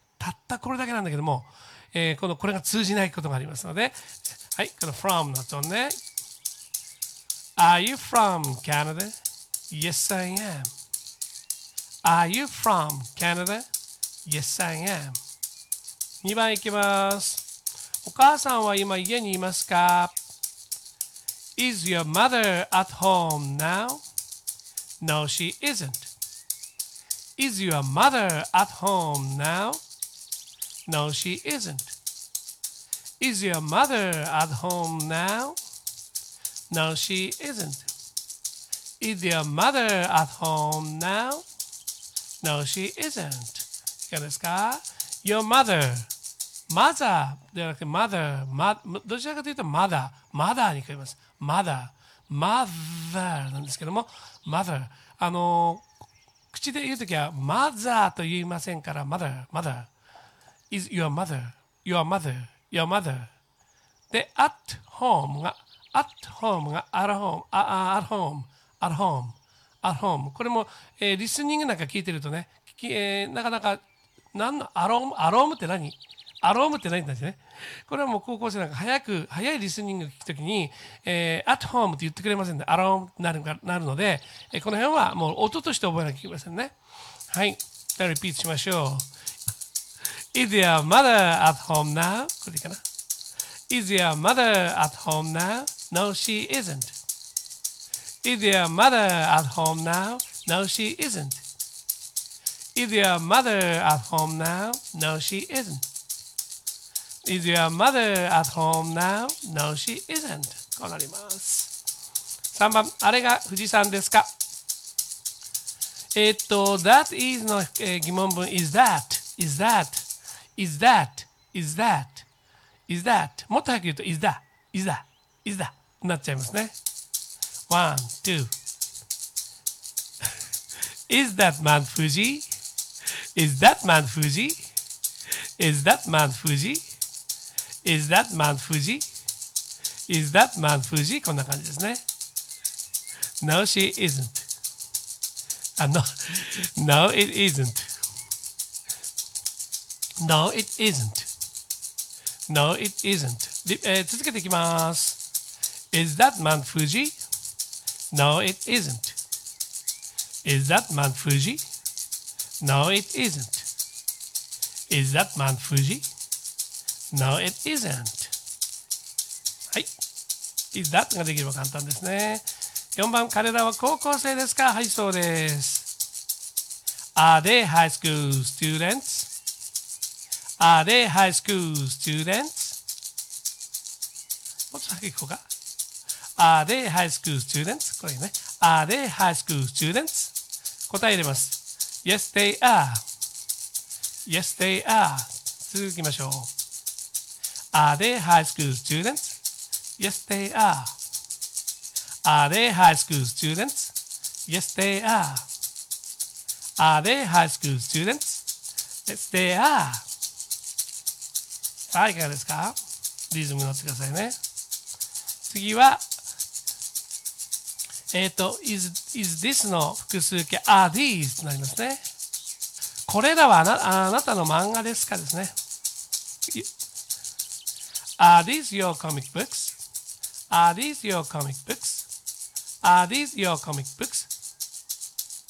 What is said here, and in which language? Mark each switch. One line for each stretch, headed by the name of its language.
Japanese: たったこれだけなんだけども、これが通じないことがありますので、はい、この from の音ね。
English: Are you from Canada? Yes, I am. Are you from Canada? Yes, I am.
Japanese: 2番いきます。お母さんは今家にいますか?
English: Is your mother at home now? No, she isn't. Is your mother at home now? No, she isn't. Is your mother at home now? No, she isn't. Is your mother at home now? No, she isn't.
Japanese: いかがですか?
English: Your mother. Mother.
Japanese: ではなくて mother. どちらかというと mother. Mother に変えます。
English: Mother.
Japanese: Mother なんですけども。
English: Mother.
Japanese: 口で言うときは mother と言いませんから mother.
English: Mother. Is your mother. Your mother. Your mother. で、at home が、at home が、at home. At home. At home, at home.
Japanese: これも、リスニングなんか聞いてるとね、なかなか、なんの、アローム、アロームって何?アロームって何なんですね。これはもう高校生なんか早いリスニング聞くときに、
English: at home
Japanese: って言ってくれませんね。アロームってなるので、この辺はもう音として覚えなきゃいけませんね。はい。じゃあ、リピートしましょう。
English: Is your mother at home now?
Japanese: これいいかな。
English: Is your mother at home now? No, she isn't. Is your mother at home now? No, she isn't. Is your mother at home now? No, she isn't. Is your mother at home now? No, she isn't.
Japanese: こうなります。 3番、あれが富士山ですか?
English: That is
Japanese: の疑問文
English: is that? Is that? Is that? Is that? Is that?
Japanese: もっと早く言うと
English: is that? Is that? Is that?
Japanese: なっちゃいますね。
English: One, two. Is that Mount Fuji? Is that Mount Fuji? Is that Mount Fuji? Is that Mount Fuji? Is that Mount Fuji?
Japanese: こんな感じですね。
English: No, she isn't. No, no, it isn't. No, it isn't. No, it isn't.
Japanese: 続けていきます。
English: Is that Mount Fuji? No, it isn't. Is that Mount Fuji? No, it isn't. Is that Mount Fuji? No, it isn't. はい。 Is that
Japanese: ができれば簡単ですね。4番、彼らは高校生ですか?はい、そうです。
English: Are they high school students? Are they high school students?
Japanese: もっと先行こうか。
English: Are they high school students?
Japanese: これね。
English: Are they high school students?
Japanese: 答え入れます。
English: Yes, they are. Yes, they are.
Japanese: 続きましょう。
English: Are they high school students? Yes, they are. Are they high school students? Yes, they are. Are they high school students? Yes, they are.
Japanese: はい、いかがですか? リズムに乗ってくださいね。次は、
English: is this
Japanese: の複数形
English: are these
Japanese: となりますね。これらはあなたの漫画ですかですね。
English: Are these your comic books? Are these your comic books? Are these your comic books?